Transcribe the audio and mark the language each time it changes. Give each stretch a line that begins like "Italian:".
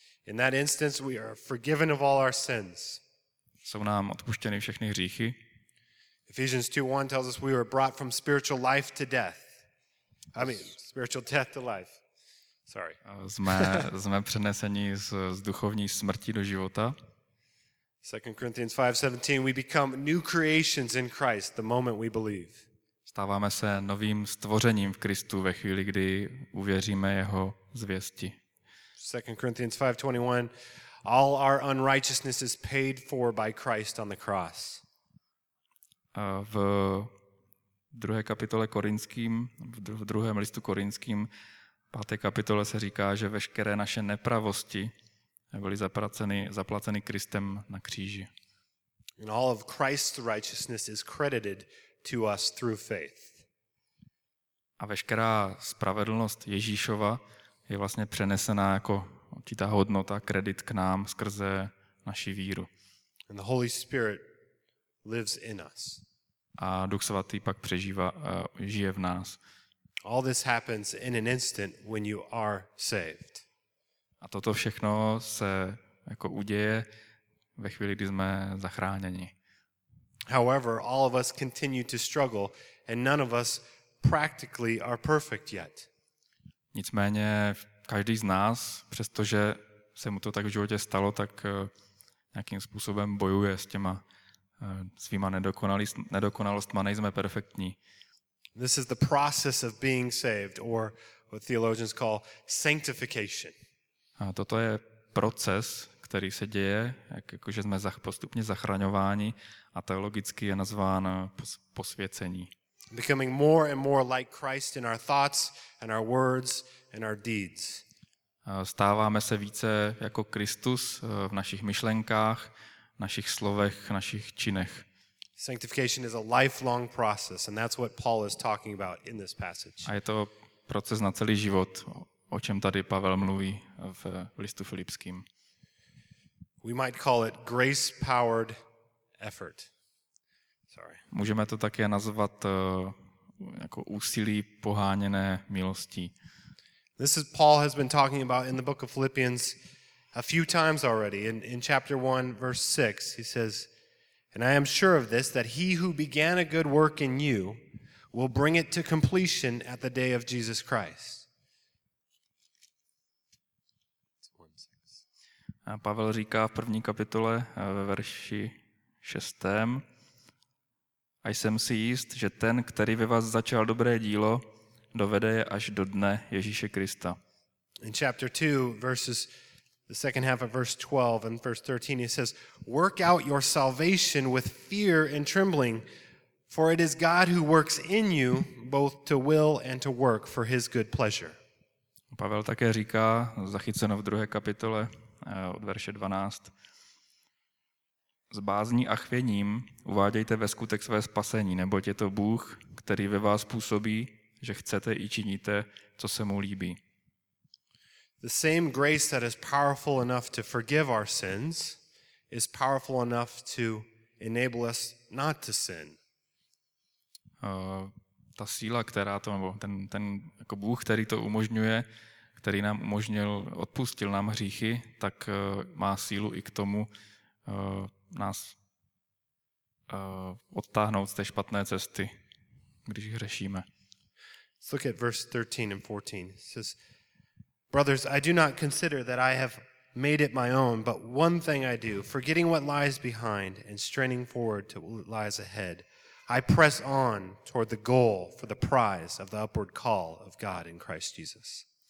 English: In that instance we are forgiven of all our sins.
Czech: Jsou nám odpuštěny všechny hříchy.
English: Ephesians 2:1 tells us we were brought from spiritual life to death. I mean, spiritual death to life. Sorry.
Czech: Jsme přeneseni z duchovní smrti do života.
English: 2 Corinthians 5:17 we become new creations in Christ the moment we believe.
Czech: Stáváme se novým stvořením v Kristu ve chvíli, kdy uvěříme jeho zvěsti.
English: 2 Corinthians 5:21 all our unrighteousness is paid for by Christ on the cross.
Czech: V druhé kapitole Korinským, v druhém listu Korinským, páté kapitole se říká, že veškeré naše nepravosti byly zaplaceny Kristem na kříži.
English: And all of Christ's righteousness is credited to us through faith.
Czech: A veškerá spravedlnost Ježíšova je vlastně přenesena jako ta hodnota, kredit k nám skrze naši víru.
English: And the Holy Spirit lives in us.
Czech: A Duch Svatý pak přežívá, žije v nás.
English: All this happens in an instant when you are saved.
Czech: A toto všechno se jako uděje ve chvíli, kdy jsme zachráněni.
English: However, all of us continue to struggle and none of us practically are perfect yet.
Czech: Nicméně každý z nás, přestože se mu to tak v životě stalo, tak nějakým způsobem bojuje s těma svýma nedokonalostma, nejsme perfektní.
English: This is the process of being saved, or what theologians call sanctification.
Czech: A toto je proces, který se děje, jakože jsme postupně zachraňováni a teologicky je nazván posvěcení.
English: Becoming more and more like Christ in our thoughts and our words and our deeds.
Czech: Stáváme se více jako Kristus v našich myšlenkách, našich slovech, našich činech.
English: Sanctification is a lifelong process and that's what Paul is talking about in this passage.
Czech: A je to proces na celý život, o čem tady Pavel mluví v listu Filipským.
English: We might call it grace-powered effort. Sorry.
Czech: Můžeme to také nazvat jako úsilí poháněné milostí.
English: This is Paul has been talking about in the book of Philippians a few times already. In chapter 1, verse 6, he says, "And I am sure of this, that he who began a good work in you will bring it to completion at the day of Jesus Christ."
Czech: Pavel říká v první kapitole ve verši 6. A jsem si jist, že ten, který ve vás začal dobré dílo, dovede je až do dne Ježíše Krista.
English: In chapter 2, verses the second half of verse 12 and verse 13, he says, "Work out your salvation with fear and trembling, for it is God who works in you both to will and to work for his good pleasure."
Czech: Pavel také říká, zachyceno v druhé kapitole, od verše 12. S bázní a chvěním uvádějte ve skutek své spasení, neboť je to Bůh, který ve vás působí, že chcete i činíte, co se mu líbí.
English: The same grace that is powerful enough to forgive our sins is powerful enough to enable us not to sin.
Czech: Ta síla, která to, nebo ten jako Bůh, který to umožňuje, který nám umožnil, odpustil nám hříchy, tak má sílu i k tomu nás odtáhnout z té špatné cesty, když hřešíme.
English: Let's look at verse 13 and 14. It says, "Brothers, I do not consider that I have made it my own, but one thing I do, forgetting what lies behind and straining forward to what lies ahead, I press on toward the goal for the prize of the upward call of God in Christ Jesus."